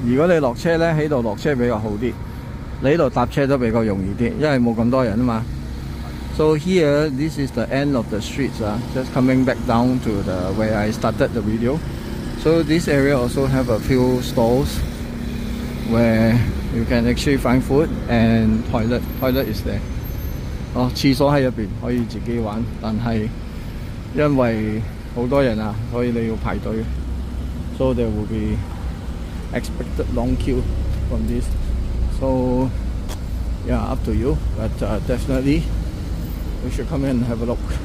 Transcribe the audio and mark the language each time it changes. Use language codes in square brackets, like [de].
[yue] 如果你落车咧，喺度落车比较好啲，你呢度搭车都比较容易啲，因为冇咁多人啊嘛。 [en] So here, this is the end of the streets. Just coming back down to the where I started the video. So this area also have a few stalls where you can actually find food and toilet. Toilet is there. [yue] 哦，厕所喺入边可以自己玩，但系因为好多人啊，所以你要排队。 [en] So there will be expected long queue from this. So yeah, up to you. But definitely. We should come in and have a look.